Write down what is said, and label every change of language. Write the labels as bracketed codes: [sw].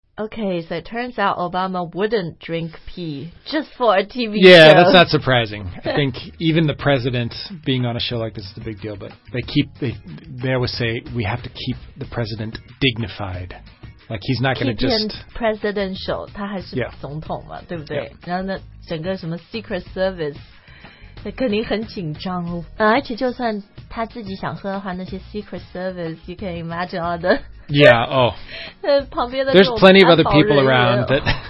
[en] Okay, so it turns out Obama wouldn't drink pee just for a TV yeah, show. Yeah, that's not surprising. I think even the president being on a show like this is a big deal, but they always say we have to keep the president dignified. Like he's not going to just... Keep him presidential, [zh] 他还是总统嘛、 [en] yeah. [zh] 对不对、 [en] yeah. [zh] 然后那整个什么 Secret Service, 他肯定很紧张、哦啊、而且就算他自己想喝的话那些 Secret Service, [en] you can imagine all the Yeah, oh. There's plenty of other people around that.